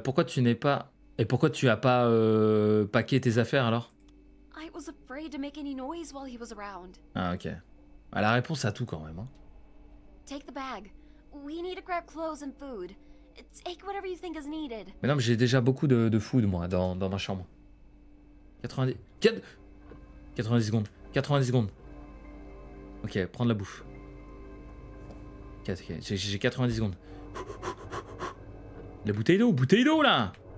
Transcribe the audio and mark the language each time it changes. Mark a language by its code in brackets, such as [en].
[fr] Pourquoi tu n'es pas et pourquoi tu as pas packé tes affaires alors? [en] I was afraid to make any noise while he was around. [fr] Ah ok. La réponse à tout quand même. Hein. [en] Take the bag. We need to grab clothes and food. Take whatever you think is needed. [fr] Mais non, mais j'ai déjà beaucoup de food moi dans ma chambre. 90. 90 secondes, 90 secondes. Ok, prendre la bouffe. Okay, j'ai 90 secondes. La bouteille d'eau là.